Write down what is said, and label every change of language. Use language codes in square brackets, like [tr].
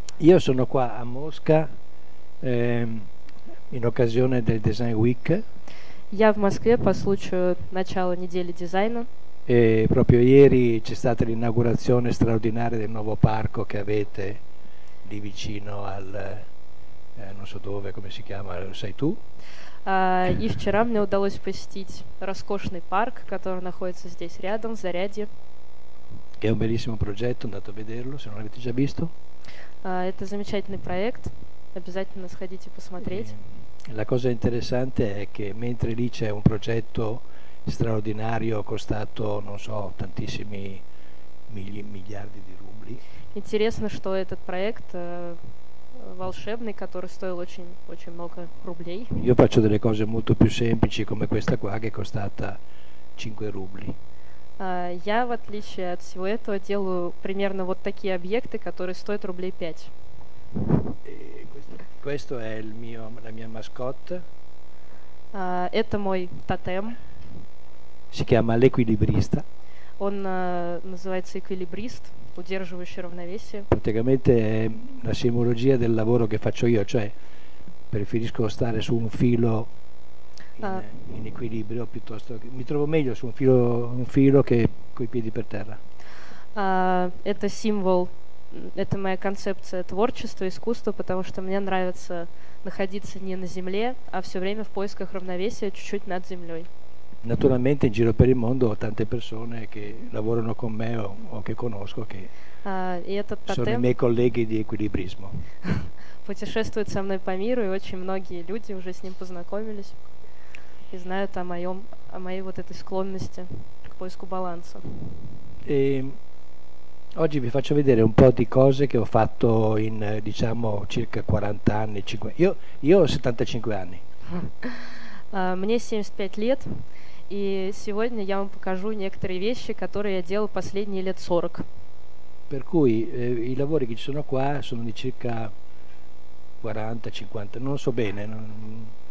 [it] Io sono qua a Mosca in occasione del Design Week. [ru] Я в Москве по случаю начала недели дизайна. [it] E proprio ieri c'è stata l'inaugurazione straordinaria del nuovo parco che avete lì vicino al non so dove, come si chiama, lo sai tu? [ru] И вчера мне удалось посетить роскошный парк, который находится здесь рядом, в Заряде. [it] Che è un bellissimo progetto, andate a vederlo se non l'avete già visto. [ru] Это замечательный проект. Обязательно сходите посмотреть. [it] La cosa interessante è che mentre lì c'è un progetto straordinario costato, non so, tantissimi miliardi di rubli. [ru] Интересно, что этот проект волшебный, который стоил очень много рублей. [it] Io faccio delle cose molto più semplici come questa qua che è costata 5 rubli. [ru] Я, в отличие от всего этого, делаю примерно вот такие объекты, которые стоят рублей 5. [it] Questo è il mio, la mia mascotte. [ru] Это мой тотем. [it] Si chiama l'equilibrista. [ru] Он называется эквилибрист, удерживающий равновесие. [it] Praticamente è la simbologia del lavoro che faccio io, cioè preferisco stare su un filo in equilibrio piuttosto che mi trovo meglio su un filo che coi piedi per terra. [ru] Это символ, это моя концепция творчества, искусства, потому что мне нравится находиться не на земле, а все время в поисках равновесия, чуть-чуть над землей. [it] Naturalmente in giro per il mondo ho tante persone che lavorano con me o che conosco che sono i miei colleghi di equilibrismo. [ru] Путешествует со мной по миру и очень многие люди уже с ним познакомились. И знают о моей вот этой склонности к поиску баланса. [it] E oggi vi faccio vedere un po' di cose che ho fatto in diciamo circa 40 anni, 5. Io ho 75 anni. [ru] Мне 75 лет, и сегодня я вам покажу некоторые вещи, которые я делал последние лет 40. [it] Per cui i lavori che ci sono qua sono di circa 40-50, non so bene, non...